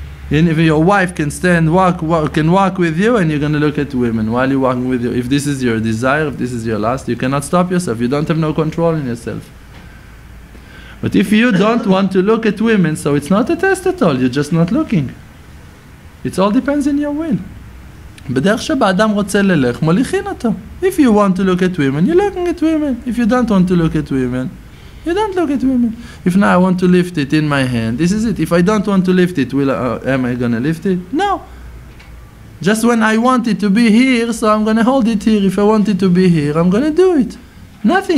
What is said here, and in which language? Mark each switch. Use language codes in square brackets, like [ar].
[en] And if your wife can stand, walk with you, and you're going to look at women while you're walking with you. If this is your desire, if this is your lust, you cannot stop yourself. You don't have no control in yourself. But if you don't want to look at women, so it's not a test at all. You're just not looking. It all depends on your will. [he] בדרך שבה אדם רוצה ללך, מוליכין אותו. [en] If you want to look at women, you're looking at women. If you don't want to look at women, you don't look at women. If now I want to lift it in my hand, this is it. If I don't want to lift it, am I going to lift it? No. Just when I want it to be here, so I'm going to hold it here. If I want it to be here, I'm going to do it. Nothing.